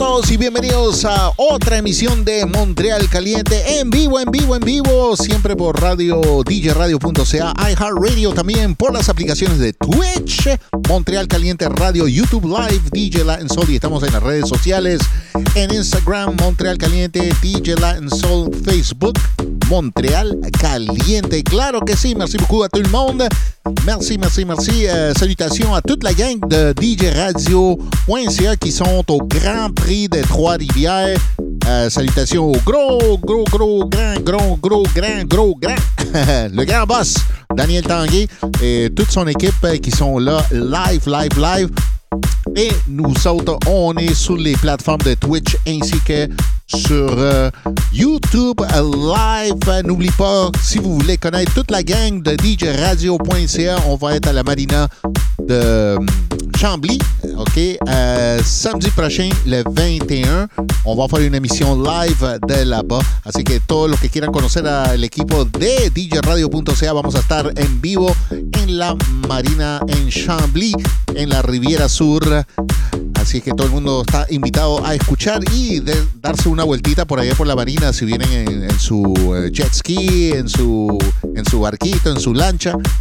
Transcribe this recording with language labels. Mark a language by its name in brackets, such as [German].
[Spanish] Y bienvenidos a otra emisión de Montreal Caliente en vivo, siempre por radio djradio.ca, iHeartRadio, también por las aplicaciones de Twitch, Montreal Caliente Radio, YouTube Live, DJ Latin Soul, y estamos en las redes sociales, en Instagram, Montreal Caliente, DJ Latin Soul, Facebook, Montreal Caliente. Claro que sí, [French] merci beaucoup [Spanish] a todo el mundo. [French] Merci. Salutations à toute la gang de DJRadio.ca qui sont au Grand Prix de Trois-Rivières. Salutations au grand le grand boss, Daniel Tanguay, et toute son équipe qui sont là live. Et nous autres, on est sur les plateformes de Twitch ainsi que sur YouTube Live. N'oublie pas, si vous voulez connaître toute la gang de DJRadio.ca, on va être à la Marina de Chambly, OK? Samedi prochain, le 21, on va faire une émission live de là-bas. [Spanish] Así que todos los que quieran conocer al equipo de DJRadio.ca, vamos a estar en vivo en la Marina en Chambly, en la Riviera Sur. Así que todo el mundo está invitado a escuchar y de darse una vueltita por allá por la Marina si vienen en su jet ski, en su barquito, en su lancha.